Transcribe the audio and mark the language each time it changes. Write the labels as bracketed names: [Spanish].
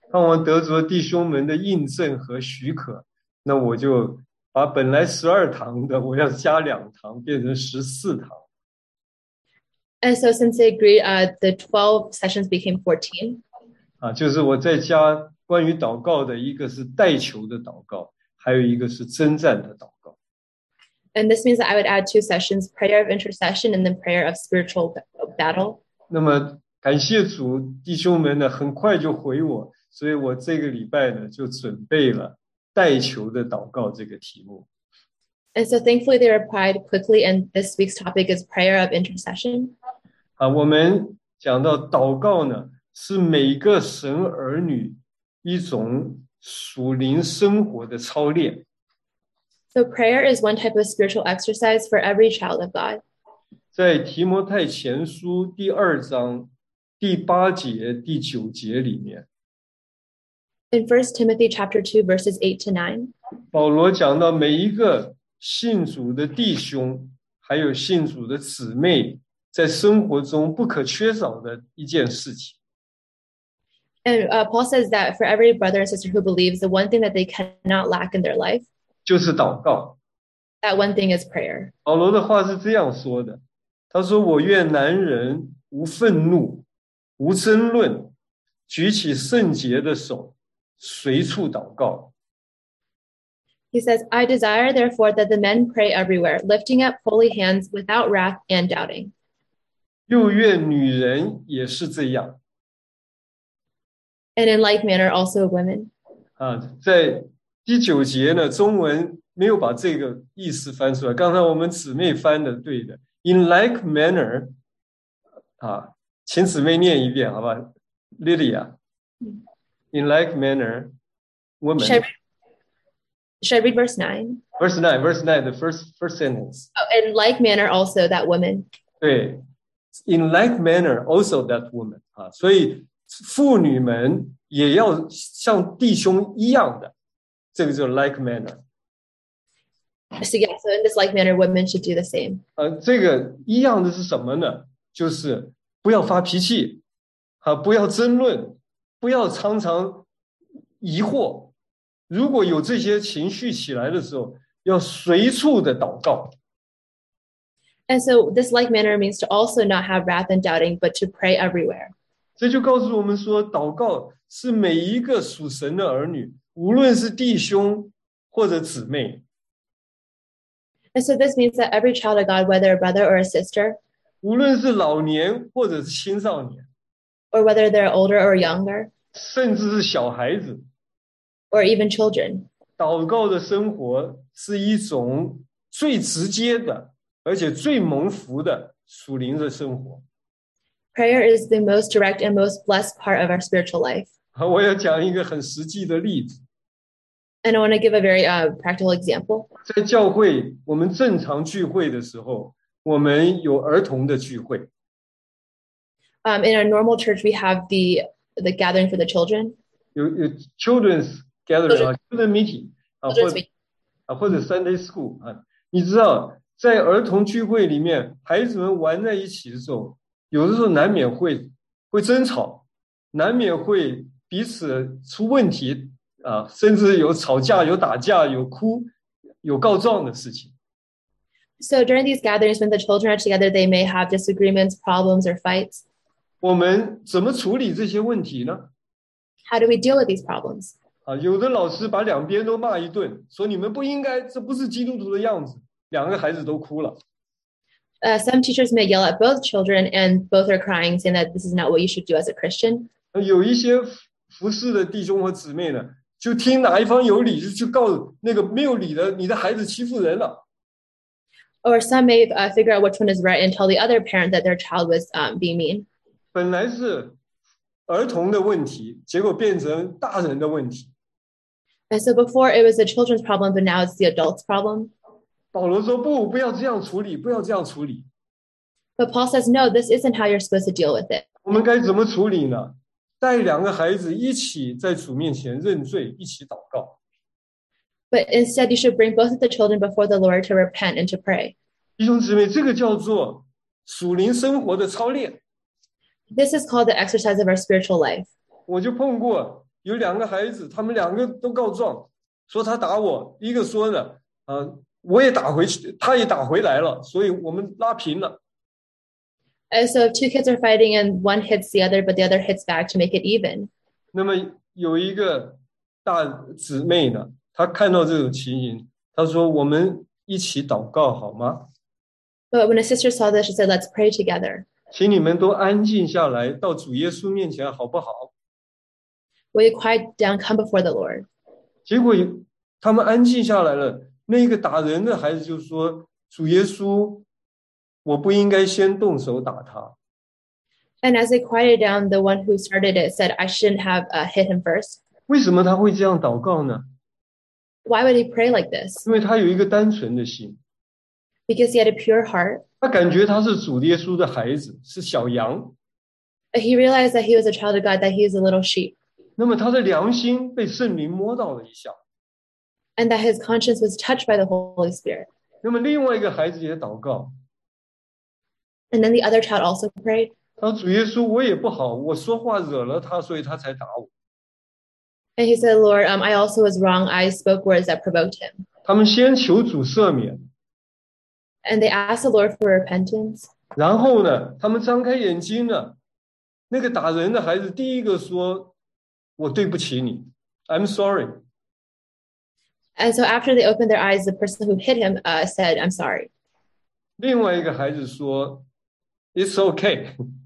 [Chinese] 盼望得着弟兄们的印证和许可，那我就把本来12堂的，我要加两堂，变成14堂。 [English] And so since they agreed, the 12 sessions became 14. [Chinese] 啊，就是我在家关于祷告的，一个是代求的祷告，还有一个是征战的祷告。 [English] And this means that I would add two sessions, prayer of intercession and then prayer of spiritual battle. [Chinese] 那么感谢主，弟兄们呢，很快就回我，所以我这个礼拜呢，就准备了代求的祷告这个题目。 [English] And so thankfully they replied quickly, and this week's topic is prayer of intercession. [Chinese] 啊，我们讲到祷告呢，是每个神儿女一种属灵生活的操练。 [English] So prayer is one type of spiritual exercise for every child of God. [Chinese] 在提摩太前书第二章第八节第九节里面。 [English] In 1 Timothy chapter 2 verses 8 to 9. [Chinese] 保罗讲到每一个信主的弟兄还有信主的姊妹在生活中不可缺少的一件事情。 [English] And Paul says that for every brother and sister who believes, the one thing that they cannot lack in their life, [Chinese] 就是祷告。 [English] That one thing is prayer. [Chinese] 保罗的话是这样说的，他说，我愿男人无愤怒，无争论，举起圣洁的手，随处祷告。 [English] He says, I desire, therefore, that the men pray everywhere, lifting up holy hands without wrath and doubting. [Chinese] 又愿女人也是这样。 [English] And in like manner, also women. [Chinese] 啊，在第九节呢，中文没有把这个意思翻出来。刚才我们姊妹翻的对的。 [English] In like manner, [Chinese] 啊，请姊妹念一遍，好吧 ，Lydia. [English] In like manner, women. Should I read verse 9? Verse 9, the first sentence. Oh, in like manner also that woman. [Chinese] 对 [English] ,in like manner also that woman. [Chinese] 啊，所以妇女们也要像弟兄一样的，这个叫 [English] like manner. So yeah, so in this like manner, women should do the same. [Chinese] 这个一样的是什么呢？就是不要发脾气，啊，不要争论，不要常常疑惑。如果有这些情绪起来的时候，要随处的祷告。 [English] And so this like manner means to also not have wrath and doubting, but to pray everywhere. [Chinese] 这就告诉我们说，祷告是每一个属神的儿女，无论是弟兄或者姊妹。 [English] And so this means that every child of God, whether a brother or a sister, [Chinese] 无论是老年或者是青少年， [English] or whether they're older or younger, [Chinese] 甚至是小孩子。 [English] Or even children. [Chinese] 祷告的生活是一种最直接的，而且最蒙福的属灵的生活。 [English] Prayer is the most direct and most blessed part of our spiritual life. [Chinese] 我要讲一个很实际的例子。 [English] And I want to give a very practical example. [Chinese] 在教会，我们正常聚会的时候，我们有儿童的聚会。 [English] In a normal church, we have the gathering for the children. [Chinese] 有 [English] children's. Gathering, children meeting, or Sunday school. [Chinese] 你知道，在儿童聚会里面，孩子们玩在一起的时候，有的时候难免会争吵，难免会彼此出问题，甚至有吵架，有打架，有哭，有告状的事情。 [English] So during these gatherings, when the children are together, they may have disagreements, problems, or fights. [Chinese] 我们怎么处理这些问题呢？ [English] How do we deal with these problems? [Chinese] 有的老师把两边都骂一顿，说你们不应该，这不是基督徒的样子，两个孩子都哭了。 [English] Some teachers may yell at both children and both are crying, saying that this is not what you should do as a Christian. [Chinese] 有一些服侍的弟兄和姊妹呢，就听哪一方有理，就去告那个没有理的，你的孩子欺负人了。 [English] Or some may figure out which one is right and tell the other parent that their child was being mean. [Chinese] 本来是儿童的问题，结果变成大人的问题。 [English] And so before it was the children's problem, but now it's the adult's problem. [Chinese] 保罗说不，不要这样处理，不要这样处理。 [English] But Paul says, no, this isn't how you're supposed to deal with it. [Chinese] 我们该怎么处理呢？带两个孩子一起在主面前认罪，一起祷告。 [English] But instead, you should bring both of the children before the Lord to repent and to pray. [Chinese] 弟兄姊妹，这个叫做属灵生活的操练。 [English] This is called the exercise of our spiritual life. [Chinese] 我就碰过有两个孩子，他们两个都告状，说他打我。一个说呢，我也打回去，他也打回来了，所以我们拉平了。 [English] So two kids are fighting, and one hits the other, but the other hits back to make it even. [Chinese] 那么有一个大姊妹呢，她看到这种情形，她说：“我们一起祷告好吗？” [English] But when a sister saw this, she said, "Let's pray together." [Chinese] 请你们都安静下来，到主耶稣面前好不好？ [English] Will you quiet down, come before the Lord? [Chinese] 结果他们安静下来了，那个打人的孩子就说，主耶稣，我不应该先动手打他。 [English] And as they quieted down, the one who started it said, I shouldn't have hit him first. [Chinese] 为什么他会这样祷告呢？ [English] Why would he pray like this? [Chinese] 因为他有一个单纯的心。 [English] Because he had a pure heart. [Chinese] 他感觉他是主耶稣的孩子，是小羊。 [English] He realized that he was a child of God, that he is a little sheep. [Chinese] 那么他的良心被圣灵摸到了一下。 [English] And that his conscience was touched by the Holy Spirit. [Chinese] 那么另外一个孩子也祷告。 [English] And then the other child also prayed. [Chinese] 他说，主耶稣，我也不好，我说话惹了他，所以他才打我。 [English] And he said, Lord, I also was wrong. I spoke words that provoked him. [Chinese] 他们先求主赦免。 [English] And they asked the Lord for repentance. [Chinese] 然后呢，他们张开眼睛呢，那个打人的孩子第一个说，我对不起你， [English] I'm sorry. And so after they opened their eyes, the person who hit him said, I'm sorry. [Chinese] 另外一个孩子说， [English] It's okay.